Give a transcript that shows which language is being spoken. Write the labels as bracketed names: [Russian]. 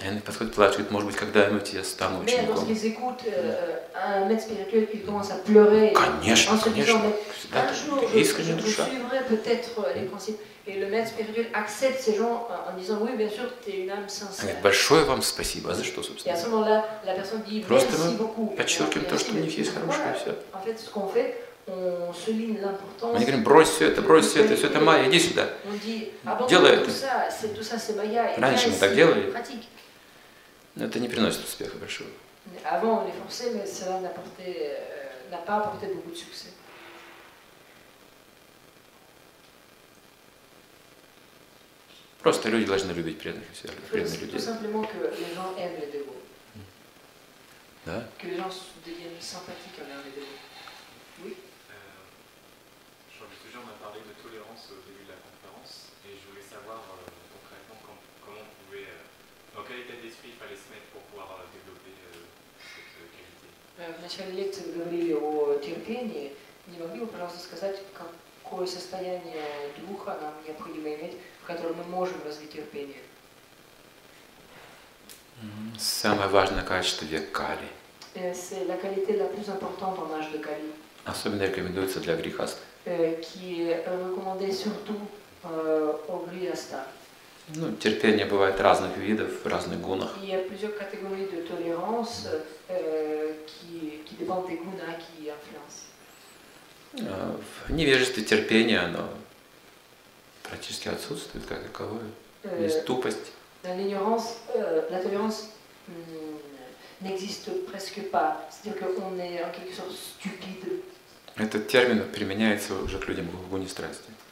[Russian] Они подходят, плачут, может быть, когда-нибудь я стану учеником. [French] Mais lorsqu'ils écoutent un maître spirituel qui commence à pleurer, [Russian] конечно, [French] en se [Russian] конечно. [French] Disant, mais un jour, je suivrai peut-être les principes. Et le maître spirituel accepte ces gens en disant, oui, bien sûr, tu es une âme sincère. [Russian] Говорит, большое вам спасибо. За что, собственно? [French] Et à ce moment-là, la personne dit, [Russian] просто [French] merci beaucoup. [Russian] Подчеркиваем то, что у них есть хорошее, все. [French] En fait, ce qu'on fait, on souligne l'importance. [Russian] Они говорят, брось все это, брось все это, все это майя, иди сюда. [French] On dit, [Russian] делай это. [French] Tout ça, c'est майя. [Russian] Раньше мы так делали. Но это не приносит успеха большого. [French] Avant, on les forçait, mais cela n'a pas apporté beaucoup de succès. [Russian] Просто люди должны любить преданных и все. Преданных людей. [French] Tout simplement que les gens aiment les dévots. [Russian] Да? [French] Que les gens deviennent sympathiques envers les dévots. Oui. Jean-Luc, on a parlé de tolérance au début de la conférence et je voulais savoir concrètement comment on pouvait, dans quel état d'esprit il fallait se mettre pour pouvoir développer cette qualité. [Russian] Вначале лекции говорили о терпении. Не могли бы, пожалуйста, сказать, какое состояние духа нам необходимо иметь, в котором мы можем развить терпение? Самое важное качество векали. [French] C'est la qualité la plus importante en âge de Kali. [Russian] Особенно рекомендуется для грихаст. [French] Qui est recommandé surtout au grihasta. [Russian] Ну, терпение бывает разных видов, в разных гунах. [French] Il y a plusieurs catégories de tolérance qui dépendent des gunas qui influencent. [Russian] В невежестве терпение, оно практически отсутствует как таковое. Есть тупость. [French] Dans l'ignorance, la tolérance n'existe presque pas. C'est-à-dire qu'on est en quelque sorte stupide. [Russian] Этот термин применяется уже к людям в гуне страсти.